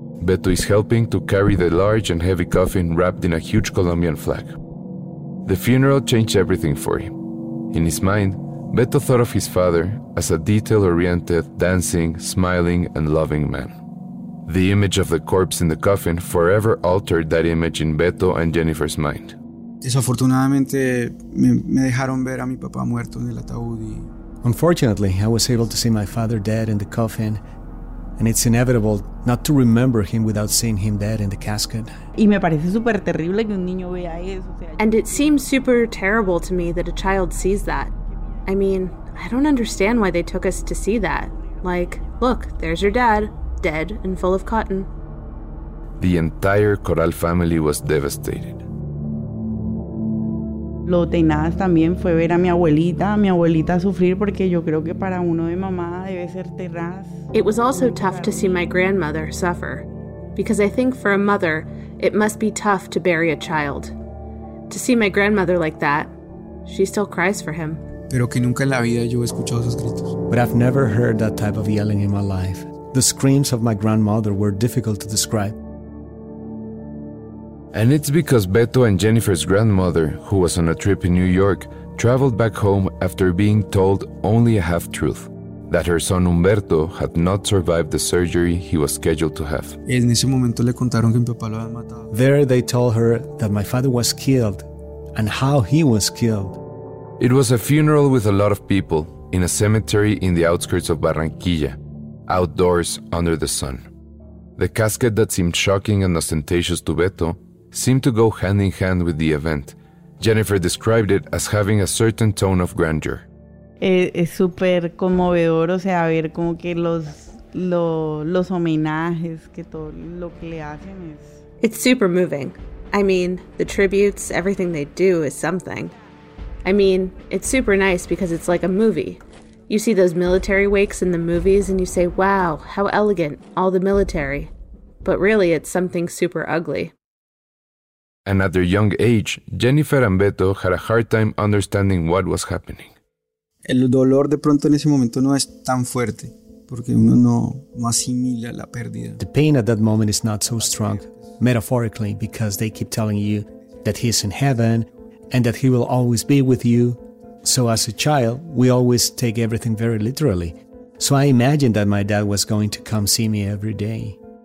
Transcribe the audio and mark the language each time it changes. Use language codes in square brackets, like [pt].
[en] Beto is helping to carry the large and heavy coffin wrapped in a huge Colombian flag. The funeral changed everything for him. In his mind, Beto thought of his father as a detail-oriented, dancing, smiling, and loving man. The image of the corpse in the coffin forever altered that image in Beto and Jennifer's mind. [es] Desafortunadamente, me dejaron ver a mi papá muerto en el ataúd. [en] Unfortunately, I was able to see my father dead in the coffin, and it's inevitable not to remember him without seeing him dead in the casket. [es] Y me parece súper terrible que un niño vea eso. [en] And it seems super terrible to me that a child sees that. I mean, I don't understand why they took us to see that. Like, look, there's your dad, dead and full of cotton. The entire Coral family was devastated. [es] Lo tenaz también fue ver a mi abuelita sufrir porque yo creo que para uno de mamá debe ser tenaz. [en] It was also tough to see my grandmother suffer, because I think for a mother, it must be tough to bury a child. To see my grandmother like that, she still cries for him. [es] Pero que nunca en la vida yo he escuchado esos gritos. [en] But I've never heard that type of yelling in my life. The screams of my grandmother were difficult to describe. And it's because Beto and Jennifer's grandmother, who was on a trip in New York, traveled back home after being told only a half-truth, that her son Humberto had not survived the surgery he was scheduled to have. [es] En ese momento le contaron que mi papá lo había matado. [en] There they told her that my father was killed, and how he was killed. It was a funeral with a lot of people, in a cemetery in the outskirts of Barranquilla, outdoors under the sun. The casket that seemed shocking and ostentatious to Beto seemed to go hand in hand with the event. Jennifer described it as having a certain tone of grandeur. [es] Es super conmovedor, o sea, ver como que los homenajes que todo lo que le hacen es. [en] It's super moving. I mean, the tributes, everything they do is something. I mean, it's super nice because it's like a movie. You see those military wakes in the movies and you say, wow, how elegant, all the military. But really, it's something super ugly. And at their young age, Jennifer and Beto had a hard time understanding what was happening. [es] El dolor de pronto en ese momento no es tan fuerte, porque uno no asimila la pérdida. [en] The pain at that moment is not so strong, metaphorically, because they keep telling you that he's in heaven and that he will always be with you. So as a child, we always take everything very literally. So I imagined that my dad was going to come see me every day.